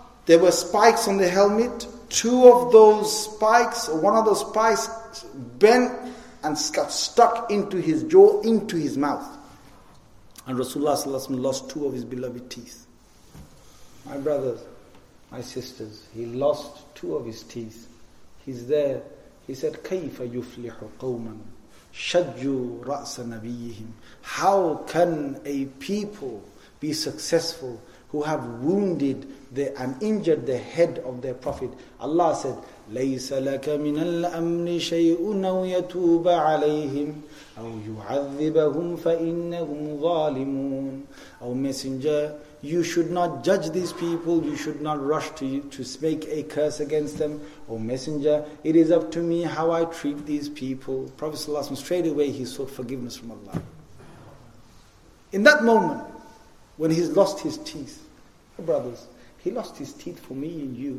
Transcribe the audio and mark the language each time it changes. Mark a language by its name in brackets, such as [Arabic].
[English] There were spikes on the helmet. Two of those spikes, one of those spikes bent and stuck into his jaw, into his mouth. And Rasulullah sallallahu alaihi lost two of his beloved teeth. My brothers, my sisters, he lost two of his teeth. He's there. [Arabic] He said, كَيْفَ يُفْلِحُ قَوْمًا شَجُّ رَأْسَ نَبِيِّهِمْ. [English] How can a people be successful who have wounded and injured the head of their Prophet? [Arabic] Allah said, لَيْسَ لَكَ مِنَ الْأَمْنِ شَيْءٌ أَوْ يَتُوبَ عَلَيْهِمْ أَوْ يُعَذِّبَهُمْ فَإِنَّهُمْ ظَالِمُونَ. [English] O Messenger, you should not judge these people. You should not rush to make a curse against them. O Messenger, it is up to me how I treat these people. Prophet ﷺ, straight away he sought forgiveness from Allah. In that moment, when he's lost his teeth, brothers, he lost his teeth for me and you.